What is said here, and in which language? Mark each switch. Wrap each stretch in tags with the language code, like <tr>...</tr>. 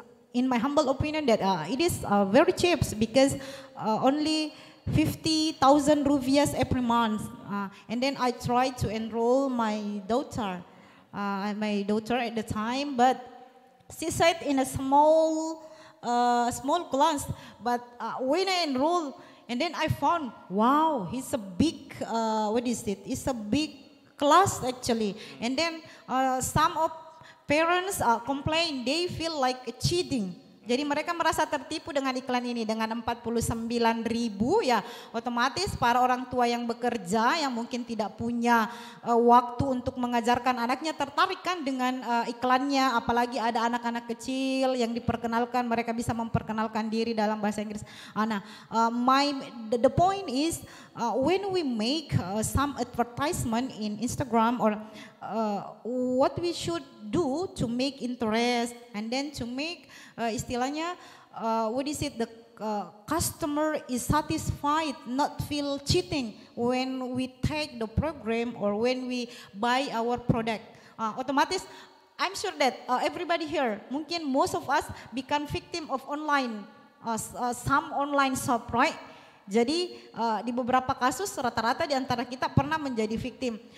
<en>in my humble opinion that it is very cheap because only 50,000 rupiahs every month, and then I tried to enroll my daughter at the time, but she said in a small class, but when I enroll, and then I found, wow, it's a big it's a big class actually. And then some of parents complain, they feel like cheating.</en> <id>Jadi mereka merasa tertipu dengan iklan ini dengan 49.000, ya otomatis para orang tua yang bekerja yang mungkin tidak punya waktu untuk mengajarkan anaknya tertarik kan dengan iklannya, apalagi ada anak-anak kecil yang diperkenalkan, mereka bisa memperkenalkan diri dalam bahasa Inggris.</id> <en>Nah, the point is when we make some advertisement in Instagram or what we should do to make interest and then to make</en> <id>istilahnya</id> <en>what is it, the customer is satisfied, not feel cheating when we take the program or when we buy our product. Otomatis I'm sure that everybody here, mungkin most of us become victim of online some online shop, right?</en> <id>Jadi di beberapa kasus rata-rata di antara kita pernah menjadi victim.</id>